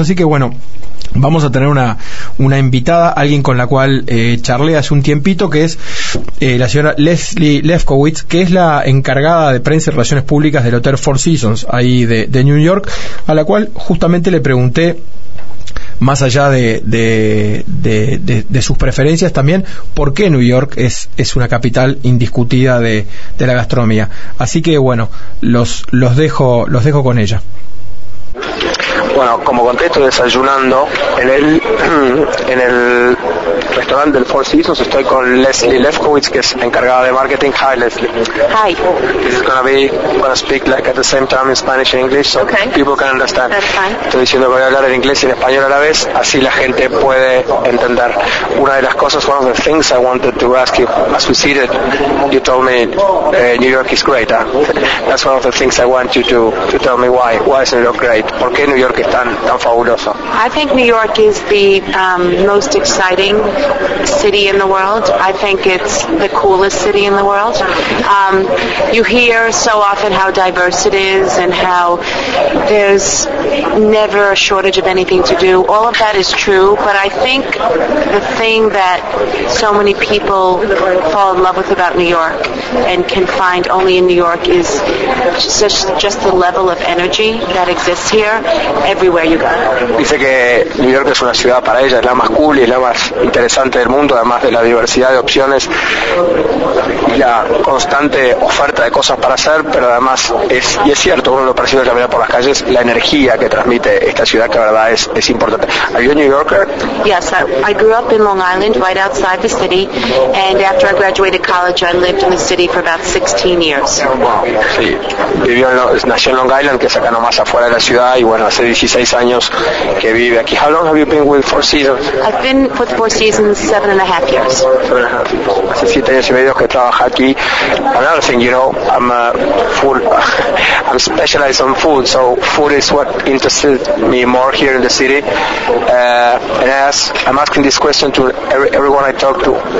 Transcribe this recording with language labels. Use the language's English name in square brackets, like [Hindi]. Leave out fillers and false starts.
[Spanish] Así que bueno, vamos a tener una invitada, alguien con la cual charlé hace un tiempito, que es la señora Leslie Lefkowitz, que es la encargada de prensa y relaciones públicas del Hotel Four Seasons, ahí de New York, a la cual justamente le pregunté, más allá de sus preferencias, también por qué New York es una capital indiscutida de la gastronomía. Así que bueno, los dejo con ella. Bueno, como contesto, desayunando en el restaurante del Four Seasons, estoy con Leslie Lefkowitz, que es encargada de marketing. [English] Hi, Leslie. Hi. This is gonna speak like at the same time in Spanish and English, so okay, people can understand. That's fine. [Spanish] Estoy diciendo que voy a hablar en inglés y en español a la vez, así la gente puede entender. Una de las cosas, [English] one of the things I wanted to ask you, as we seated, you told me New York is great. That's one of the things I want you to tell me why. Why is New York great? [Spanish] ¿Por qué New York es tan fabuloso? [English] I think New York is the most exciting city in the world. I think it's the coolest city in the world. You hear so often how diverse it is and how there's never a shortage of anything to do. All of that is true, but I think the thing that so many people fall in love with about New York and can find only in New York is just the level of energy that exists here everywhere you go. [Spanish] Dice que New York es una ciudad para ella, es la más cool y la más interesante del mundo, además de la diversidad de opciones y la constante oferta de cosas para hacer, pero además es cierto, uno lo percibe caminando por las calles, la energía que transmite esta ciudad, que la verdad es importante. [English] Are you a New Yorker? Yes, I grew up in Long Island, right outside the city, and after I graduated college, I lived in the city for about 16 years. [Spanish] Wow, sí. Nació en Long Island, que es acá nomás afuera de la ciudad, y bueno, hace 16 años que vive aquí. [English] How long have you been with Four Seasons? I've been with Four Seasons 7.5 years. [Spanish] Hace 7 años y medio que trabaja aquí. [English] Another thing, you know, I'm specialized on food, so food is what interested me more here in the city. And I'm asking this question to everyone I talk to.